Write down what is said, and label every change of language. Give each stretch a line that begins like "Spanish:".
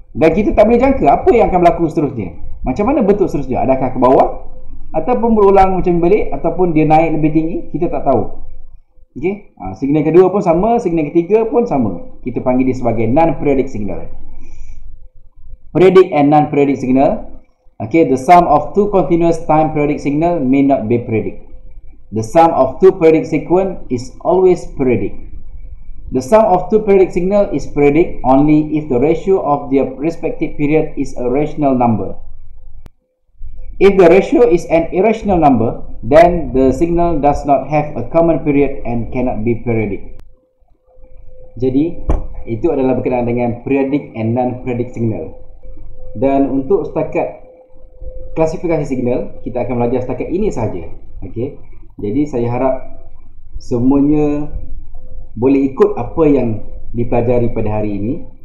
Malay: Dan kita tak boleh jangka apa yang akan berlaku seterusnya. Macam mana bentuk seterusnya? Adakah ke bawah ataupun berulang macam balik ataupun dia naik lebih tinggi? Kita tak tahu. Okay. Signal kedua pun sama, signal ketiga pun sama. Kita panggil dia sebagai non-periodic signal. Periodic and non-periodic signal.
English: Okay, the sum of two continuous time periodic signal may not be periodic. The sum of two periodic sequence is always periodic. The sum of two periodic signal is periodic only if the ratio of their respective period is a rational number. If the ratio is an irrational number, then the signal does not have a common period and cannot be periodic.
Malay: Jadi, itu adalah berkenaan dengan periodic and non-periodic signal. Dan untuk setakat klasifikasi signal, kita akan belajar setakat ini sahaja. Okay. Jadi, saya harap semuanya boleh ikut apa yang dipelajari pada hari ini.